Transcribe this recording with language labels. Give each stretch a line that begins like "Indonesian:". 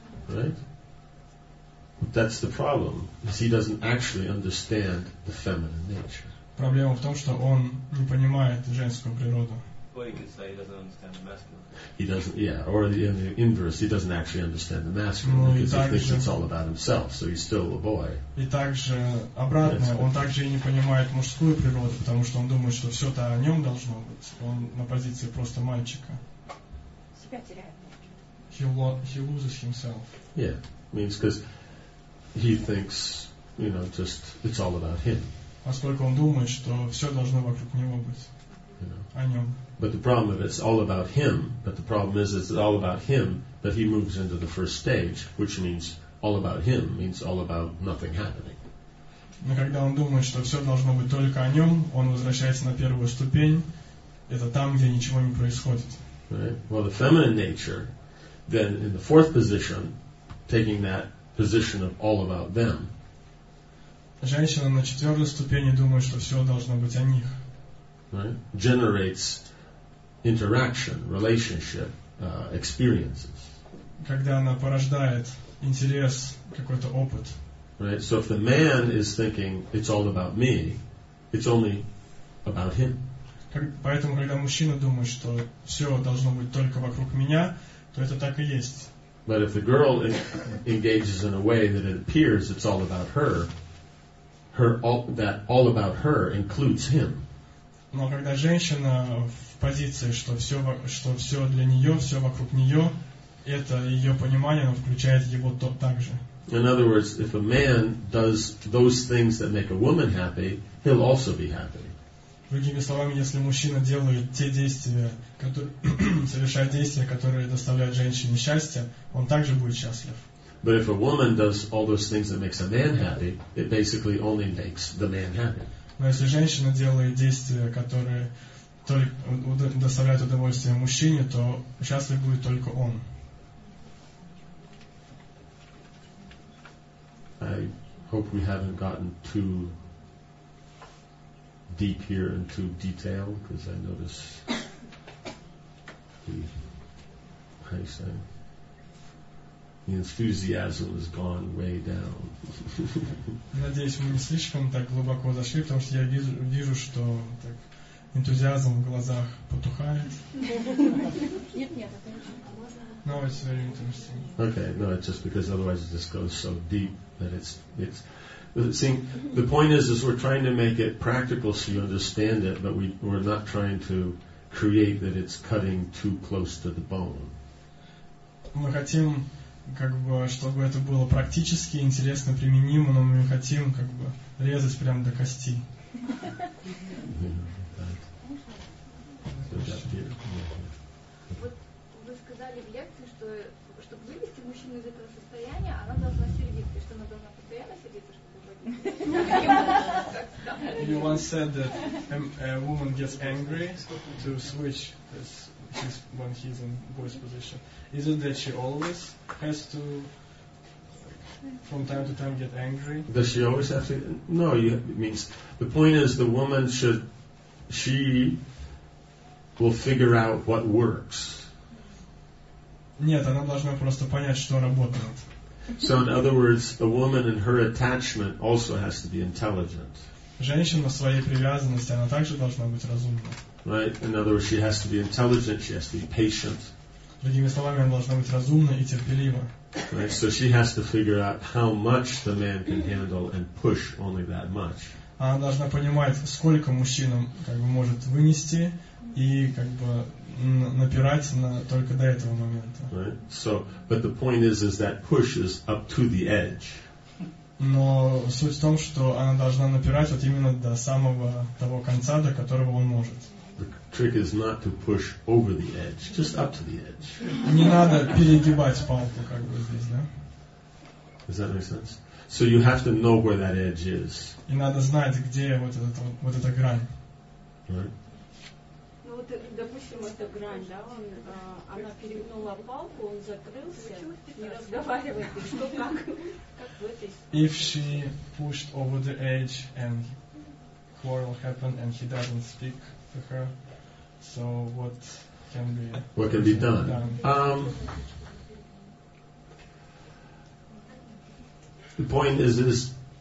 English: Right. But that's the problem, is he doesn't actually understand the feminine nature.
Russian: Проблема в том, что он не понимает женскую природу.
English: Or you could say he doesn't understand the masculine. He doesn't, yeah, or the inverse, he doesn't actually understand the masculine because he thinks it's all about himself, so he's still a boy.
Russian: И также обратное, он также и не понимает мужскую природу, потому что он думает, что все-то о нем должно быть. Он на позиции просто мальчика. Себя теряет.
English: He loses himself. Yeah, means because he thinks, you know, just it's all about him.
Russian: Поскольку он думает, что все должно вокруг него быть.
English: But the problem is it's all about him, but the problem is it's all about him, but he moves into the first stage, which means all about him means all about nothing happening.
Russian: Но когда он думает, что все должно быть только о нем, он возвращается на первую ступень, это там, где ничего не происходит.
English: Right. Well, the feminine nature, then in the fourth position, taking that position of all about them.
Russian: Женщина на четвертой ступени думает, что все должно быть о них.
English: Right? Generates interaction, relationship, experiences.
Russian: Когда она порождает интерес, какой-то опыт.
English: Right. So if the man is thinking it's all about me, it's only about him.
Russian: Поэтому когда мужчина думает, что все должно быть только вокруг меня, то это так и есть.
English: But if the girl engages in a way that it appears it's all about her, that all about her includes him.
Russian: Но когда женщина в позиции, что все для нее, все вокруг нее, это ее понимание, оно включает его тот также.
English: In other words, if a man does those things that make a woman happy, he'll also be happy.
Russian: Другими словами, если мужчина делает те действия, совершает действия, которые доставляют женщине счастье, он также будет счастлив.
English: But if a woman does all those things that makes a man happy, it basically only makes the man happy.
Russian: Но если женщина делает действия, которые доставляют удовольствие мужчине, то счастлив будет только он.
English: I hope we haven't gotten too deep here and too detailed, because I notice the enthusiasm has gone way down.
Russian: Надеюсь, мы не слишком так глубоко зашли, потому что я вижу, что так энтузиазм в глазах потухает. Нет, это очень важно.
English: No, it's very interesting. Okay, no, it's just because otherwise it just goes so deep that it's. See, the point is we're trying to make it practical so you understand it, but we're not trying to create that it's cutting too close to the bone.
Russian: Мы хотим как бы, чтобы это было практически интересно, применимо, но мы хотим как бы резать прямо до кости.
English: Yeah, that.
Russian: сказали в лекции, что чтобы вывести мужчину из этого состояния, она должна сердиться, что она должна постоянно сердиться, чтобы
English: You once said that a woman gets angry to switch his, when he's in boy's position. Is it that she always has to, from time to time, get angry? Does she always have to? No, it means the point is the woman should, she will figure out what works.
Russian: Нет, она должна просто понять, что работает.
English: So in other words, a woman in her attachment also has to be intelligent.
Russian: Женщина в своей привязанности, она также должна быть разумной.
English: Right? In other words, she has to be intelligent, she has to be patient.
Russian: Другими словами, она должна быть разумна и терпелива.
English: Right? So she has to figure out how much the man can handle and push only that much.
Russian: Она должна понимать, сколько мужчина как бы может вынести и как бы напирать на только до этого момента.
English: Right. So, but the point is that push is up to the edge.
Russian: Но суть в том, что она должна напирать вот именно до самого того конца, до которого он может.
English: The trick is not to push over the edge, just up to the edge.
Russian: Не надо перегибать палку как бы здесь, да?
English: Does that make sense? So you have to know where that edge is.
Russian: И надо знать, где вот этот вот эта грань.
English: Right.
Russian: Допустим, эта грань, да, он, она перегнула палку, он закрылся, не разговаривает, что как в этой.
English: If she pushed over the edge and quarrel happened and he doesn't speak to her, so what can be done? The point is this.